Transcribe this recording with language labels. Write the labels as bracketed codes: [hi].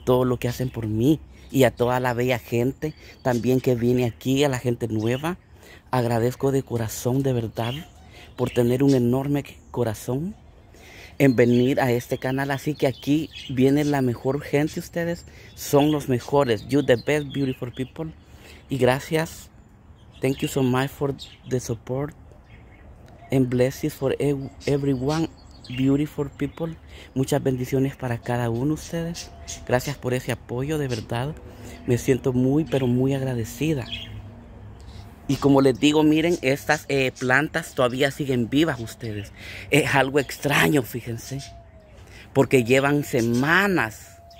[es] Todo lo que hacen por mí. Y a toda la bella gente también que viene aquí, a la gente nueva. Agradezco de corazón, de verdad, por tener un enorme corazón en venir a este canal. Así que aquí viene la mejor gente. Ustedes son los mejores. [en] You the best beautiful people. [es] Y gracias. [en] Thank you so much for the support. And blessings for everyone. Beautiful people. [es] Muchas bendiciones para cada uno de ustedes. Gracias por ese apoyo. De verdad. Me siento muy, pero muy agradecida. Y como les digo, miren, estas plantas todavía siguen vivas, ustedes. Es algo extraño, fíjense. Porque llevan semanas.